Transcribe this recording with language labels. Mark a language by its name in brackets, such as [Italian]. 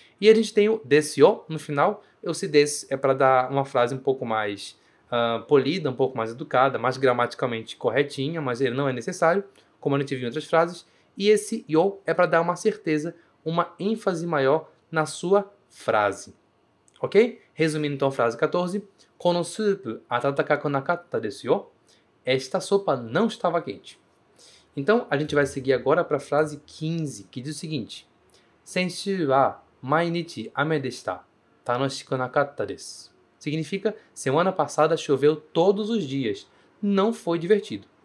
[Portuguese] E a gente tem o desu yo no final. Eu se desu é para dar uma frase um pouco mais polida, um pouco mais educada, mais gramaticalmente corretinha, mas ele não é necessário, como a gente viu em outras frases. E esse yo é para dar uma certeza, uma ênfase maior na sua frase, ok? Resumindo então a frase 14. [Japanese] このスープ温かくなかったですよ。 [Portuguese] Esta sopa não estava quente. Então, a gente vai seguir agora para a frase 15, que diz o seguinte. [Japanese] 先週は毎日雨でした。楽しくなかったです。 [Portuguese] Significa, semana passada choveu todos os dias. Não foi divertido.